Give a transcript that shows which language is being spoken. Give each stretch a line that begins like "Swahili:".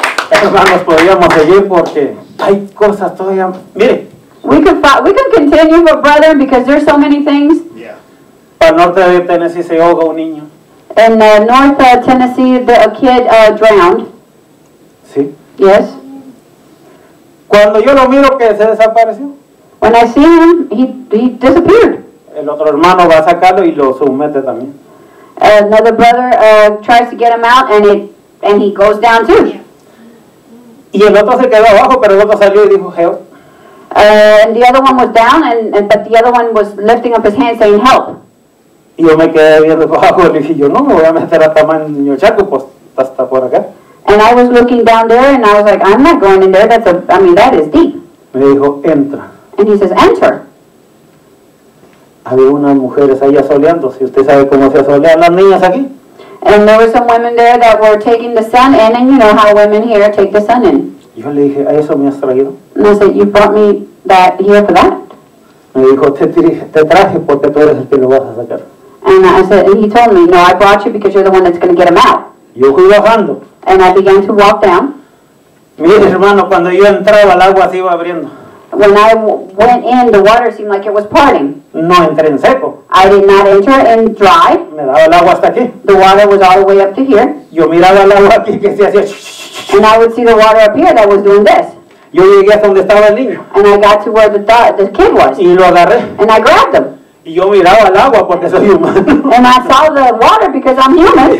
Spanish: Hermanos, podríamos seguir porque hay cosas todavía. Mire.
English: We can continue, but brother, because there's so many things. Yeah.
Spanish: Para norte de Tennessee se ahoga un niño.
English: In north Tennessee, a kid drowned.
Spanish: Sí.
English: Yes.
Spanish: Cuando yo lo miro que se desapareció.
English: When I see him, he disappeared.
Spanish: El otro hermano va a sacarlo y lo somete también.
English: Another brother tries to get him out and he goes down too.
Spanish: Y el otro se quedó abajo, pero el otro salió y dijo,
English: help. And the other one was down, and but the other one was lifting up his hand saying, help.
Spanish: Y yo me quedé viendo por abajo y dije, yo no me voy a meter hasta Maño Chaco, pues hasta por acá.
English: And I was looking down there, and I was like, I'm not going in there. That's a, I mean, that is deep.
Spanish: Me dijo, entra.
English: And he says, enter.
Spanish: Había unas mujeres ahí asoleando. Si usted sabe cómo se asolean las niñas aquí.
English: And there were some women there that were taking the sun in, and you know how women here take the sun in.
Spanish: Yo le dije, ¿a eso me has traído?
English: And I said, you brought me that here for that?
Spanish: Me dijo, te traje porque tú eres el que lo vas a sacar.
English: And I said, and he told me, no, I brought you because you're the one that's going to get him out.
Spanish: Yo fui bajando.
English: And I began to walk down.
Spanish: Mire, hermano, cuando yo entraba, el agua se iba abriendo.
English: When I went in, the water seemed like it was parting.
Spanish: No entré en seco.
English: I did not enter in dry.
Spanish: Me daba el agua hasta aquí.
English: The water was all the way up to here.
Spanish: Yo miraba el agua aquí que se hacía.
English: And I would see the water up here that was doing this.
Spanish: Yo llegué hasta donde estaba el niño.
English: And I got to where the kid was.
Spanish: Y lo agarré.
English: And I grabbed him.
Spanish: Y yo miraba el agua porque soy humano.
English: And I saw the water because I'm human.